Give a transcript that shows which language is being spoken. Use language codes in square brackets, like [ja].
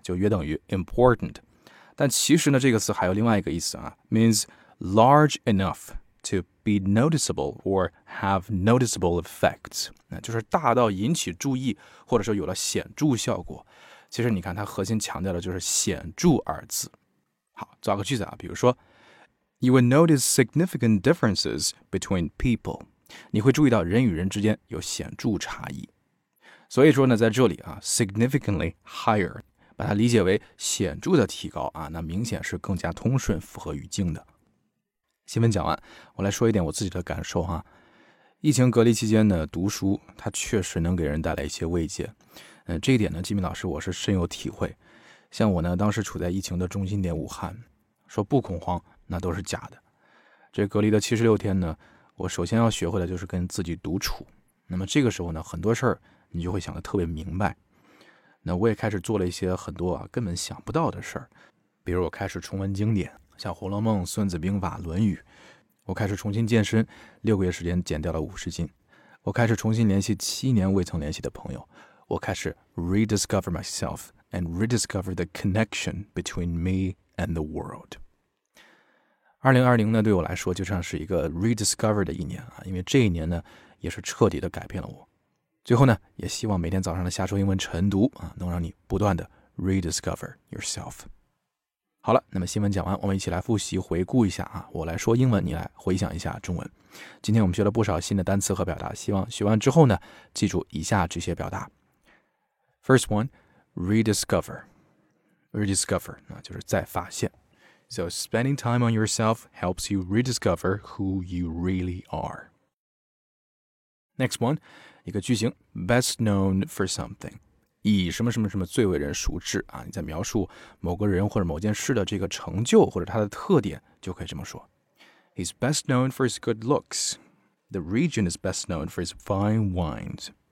[zh] 就约等于 important。但其实呢，这个词还有另外一个意思啊 ， [en] means large enough to be noticeable or have noticeable effects. [zh] 就是大到引起注意或者说有了显著效果。其实你看它核心强调的就是显著二字。好，造个句子啊，比如说 [en] You will notice significant differences between people. [zh] 你会注意到人与人之间有显著差异。所以说呢在这里啊 [en] significantly higher, [zh] 把它理解为显著的提高啊，那明显是更加通顺符合语境的。新闻讲完，我来说一点我自己的感受啊。疫情隔离期间呢，读书它确实能给人带来一些慰藉。这一点呢，吉米老师我是深有体会。像我呢，当时处在疫情的中心点武汉，说不恐慌那都是假的。这隔离的76天呢，我首先要学会的就是跟自己独处。那么这个时候呢，很多事儿你就会想得特别明白。那我也开始做了一些很多啊根本想不到的事儿，比如我开始重温经典，像《红楼梦》《孙子兵法》《论语》。我开始重新健身，6个月时间减掉了50斤。我开始重新联系7年未曾联系的朋友。我开始 [en] rediscover myself and rediscover the connection between me and the world. [zh] 2020呢对我来说就像是一个 rediscover 的一年啊，因为这一年呢也是彻底的改变了我。最后呢也希望每天早上的下周英文晨读啊，能让你不断的 [en] rediscover yourself。 [zh] 好了，那么新闻讲完，我们一起来复习回顾一下啊。我来说英文，你来回想一下中文。今天我们学了不少新的单词和表达，希望学完之后呢，记住以下这些表达。 [en] First one, rediscover. Rediscover, [zh] 那就是再发现。 [en] So spending time on yourself helps you rediscover who you really are. Next one, [zh] 一个句型 [en] best known for something. [zh] 以什么什么什么最为人熟知啊，你在描述某个人或者某件事的这个成就或者他的特点就可以这么说。 [en] He's best known for his good looks. The region is best known for his fine wines.